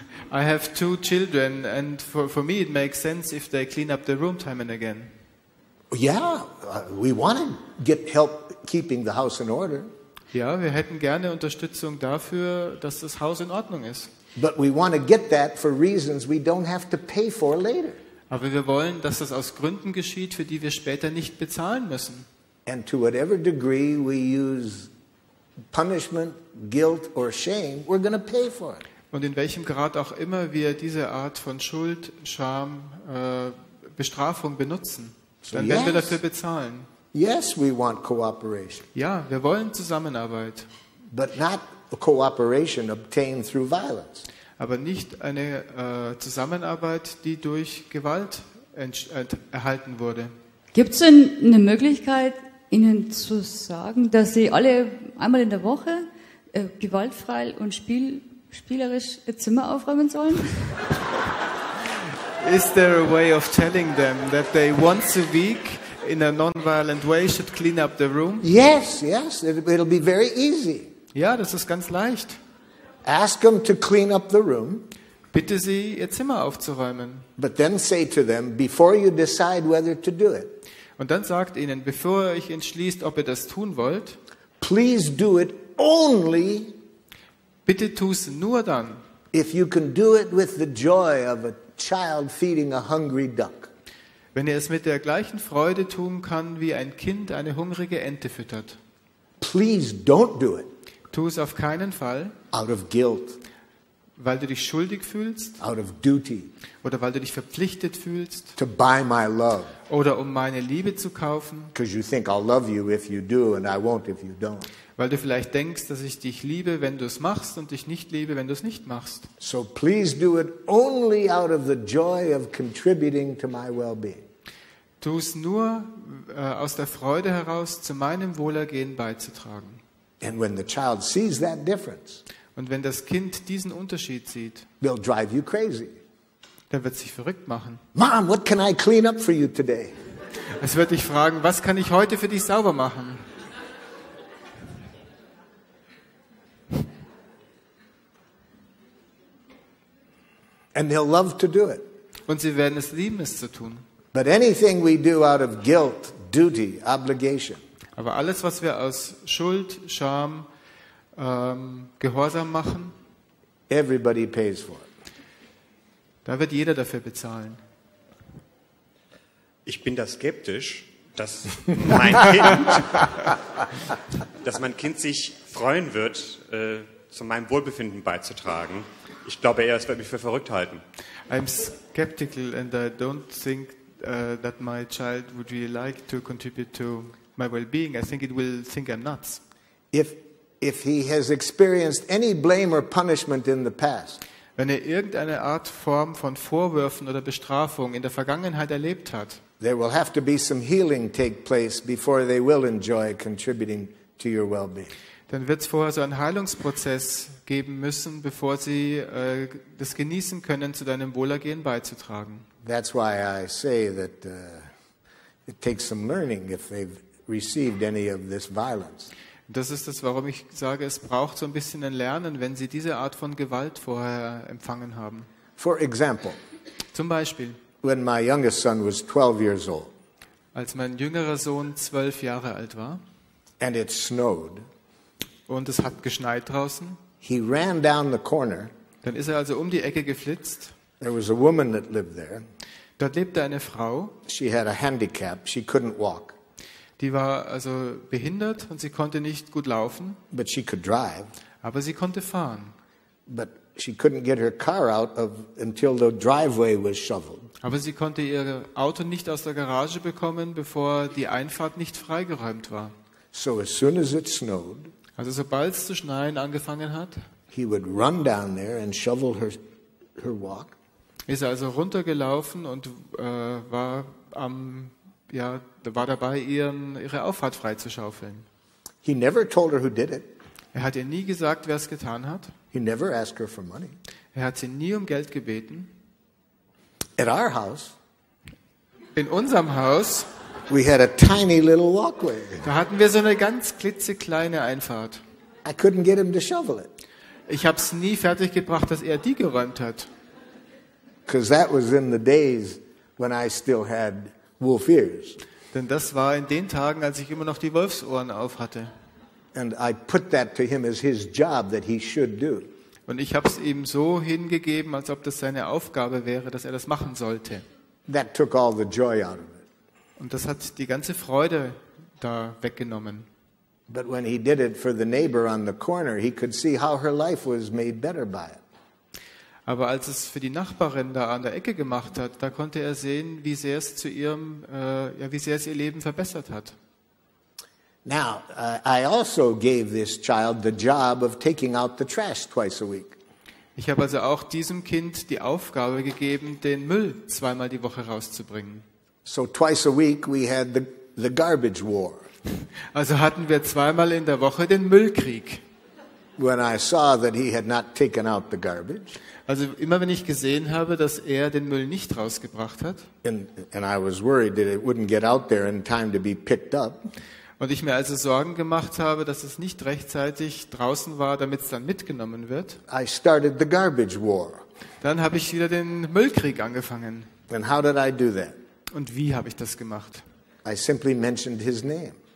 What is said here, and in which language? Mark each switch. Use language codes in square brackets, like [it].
[en] I have two children, and for me it makes sense if they clean up the room time and again. Yeah, we want to get help keeping the house in order. [de] Ja, wir hätten gerne Unterstützung dafür, dass das Haus in Ordnung ist. [en] But we want to get that for reasons we don't have to pay for later. [de] Aber wir wollen, dass das aus Gründen geschieht, für die wir später nicht bezahlen müssen. [en] And to whatever degree we use punishment, guilt or shame, we're going to pay for it. [de] Und in welchem Grad auch immer wir diese Art von Schuld, Scham, Bestrafung benutzen, dann werden wir dafür bezahlen. [en] Yes, we want cooperation. [de] Ja, wir wollen Zusammenarbeit. [en] But not cooperation obtained through violence. [de] Aber nicht eine Zusammenarbeit, die durch Gewalt erhalten wurde. Gibt es denn eine Möglichkeit, Ihnen zu sagen, dass Sie alle einmal in der Woche gewaltfrei und spielerisch Ihr Zimmer aufräumen sollen? [en] Is there a way of telling them that they once a week in a non-violent way should clean up the room? Yes, yes, it'll be very easy. [de] Ja, das ist ganz leicht. [en] Ask them to clean up the room. [de] Bitte sie, ihr Zimmer aufzuräumen. [en] But then say to them, before you decide whether to do it. [de] Und dann sagt ihnen, bevor ihr euch entschließt, ob ihr das tun wollt. [en] Please do it only. [de] Bitte tu's nur dann. [en] If you can do it with the joy of a child feeding a hungry duck. [de] Wenn ihr es mit der gleichen Freude tun kann, wie ein Kind eine hungrige Ente füttert. [en] Please don't do it. [de] Tu es auf keinen Fall. [en] Out of guilt. [de] Weil du dich schuldig fühlst. [en] Out of duty. [de] Oder weil du dich verpflichtet fühlst. [en] To buy my love. [de] Oder um meine Liebe zu kaufen. [en] Because you think I'll love you if you do and I won't if you don't. [de] Weil du vielleicht denkst, dass ich dich liebe, wenn du es machst und dich nicht liebe, wenn du es nicht machst. [en] So please do it only out of the joy of contributing to my well-being. [de] Tu es nur aus der Freude heraus, zu meinem Wohlergehen beizutragen. [en] And when the child sees that difference, [de] und wenn das Kind diesen Unterschied sieht, [en] they'll drive you crazy. [de] Dann wird sich verrückt machen. [en] Mom, what can I clean up for you today? [de] Es wird dich fragen, was kann ich heute für dich sauber machen? [en] And they'll love to do it. [de] Und sie werden es lieben, es zu tun. [en] But anything we do out of guilt, duty, obligation. [de] Aber alles, was wir aus Schuld, Scham, Gehorsam machen, [en] everybody pays for it. [de] Da wird jeder dafür bezahlen. Ich bin da skeptisch, dass mein Kind, dass mein Kind sich freuen wird, zu meinem Wohlbefinden beizutragen. Ich glaube eher, es wird mich für verrückt halten. [en] I'm skeptical and I don't think that my child would really like to contribute to my well-being. I think it will think I'm nuts. If he has experienced any blame or punishment in the past. [de] Wenn er irgendeine Art Form von Vorwürfen oder Bestrafung in der Vergangenheit erlebt hat. [en] There will have to be some healing take place before they will enjoy contributing to your well-being. [de] Dann wird es vorher so einen Heilungsprozess geben müssen, bevor sie das genießen können, zu deinem Wohlergehen beizutragen. [en] That's why I say that it takes some learning if they've received any of this violence. [de] Das ist das, warum ich sage, es braucht so ein bisschen ein Lernen, wenn sie diese Art von Gewalt vorher empfangen haben. [en] For example, [de] zum Beispiel, [en] when my youngest son was 12 years old, [de] als mein jüngerer Sohn 12 Jahre alt war, [en] and it snowed, [de] und es hat geschneit draußen, [en] he ran down the corner, [de] dann ist er also um die Ecke geflitzt. [en] There was a woman that lived there. [de] Dort lebte eine Frau. [en] She had a handicap. She couldn't walk. [de] Die war also behindert und sie konnte nicht gut laufen. [en] But she could drive. [de] Aber sie konnte fahren. [en] But she couldn't get her car out of until the driveway was shoveled. [de] Aber sie konnte ihr Auto nicht aus der Garage bekommen, bevor die Einfahrt nicht freigeräumt war. [en] So as soon as it snowed. [de] Also sobald es zu schneien angefangen hat. [en] He would run down there and shovel her walk. [de] Ist also runtergelaufen und war am ja war dabei ihre Auffahrt freizuschaufeln. [en] He never told her who did it. [de] Er hat ihr nie gesagt, wer es getan hat. [en] He never asked her for money. [de] Er hat sie nie um Geld gebeten. [en] At our house. [de] In unserem Haus. [en] We had a tiny little walkway. [de] Da hatten wir so eine ganz klitzekleine Einfahrt. [en] I couldn't get him to shovel it. [de] Ich habe es nie fertiggebracht, dass er die geräumt hat. [en] Because that was in the days when I still had wolf ears. [de] Denn das war in den Tagen, als ich immer noch die Wolfsohren auf hatte. [en] And I put that to him as his job that he should do. [de] Und ich habe es ihm so hingegeben, als ob das seine Aufgabe wäre, dass er das machen sollte. [en] That took all the joy out of it. [de] Und das hat die ganze Freude da weggenommen. [en] But when he did it for the neighbor on the corner, he could see how her life was made better by it. [de] Aber als es für die Nachbarin da an der Ecke gemacht hat, da konnte er sehen, wie sehr es zu ihrem wie sehr es ihr Leben verbessert hat. [en] Now, I also gave this child the job of taking out the trash twice a week. [de] Ich habe also auch diesem Kind die Aufgabe gegeben, den Müll zweimal die Woche rauszubringen. [en] So twice a week we had the garbage war. [de] Also hatten wir zweimal in der Woche den Müllkrieg. [en] When I saw that he had not taken out the garbage. [de] Also immer wenn ich gesehen habe, dass er den Müll nicht rausgebracht hat. [en] And I was worried that it wouldn't get out there in time to be picked up. [de] Und ich mir also Sorgen gemacht habe, dass es nicht rechtzeitig draußen war, damit es dann mitgenommen wird. [en] I started the garbage war. [de] Dann habe ich wieder den Müllkrieg angefangen. [en] And how did I do that? [de] Und wie habe ich das gemacht? [en] I simply mentioned his name.